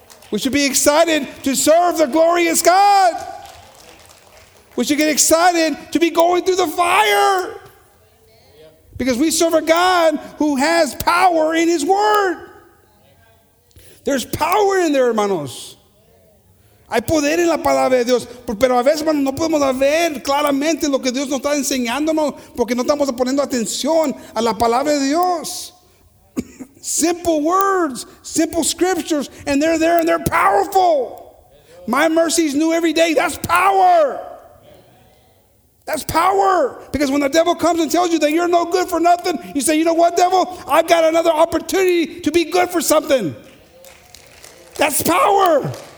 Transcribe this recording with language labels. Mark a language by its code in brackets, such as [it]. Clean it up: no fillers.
[en] We should be excited to serve the glorious God. We should get excited to be going through the fire. Because we serve a God who has power in his word. There's power in there, hermanos. [es] Hay poder en la palabra de Dios, pero a veces, hermanos, no podemos ver claramente lo que Dios nos está enseñando, hermanos, porque no estamos poniendo atención a la palabra de Dios. [en] Simple words, simple scriptures, and they're there and they're powerful. My mercy is new every day. That's power. That's power. Because when the devil comes and tells you that you're no good for nothing, you say, you know what, devil? I've got another opportunity to be good for something. That's power.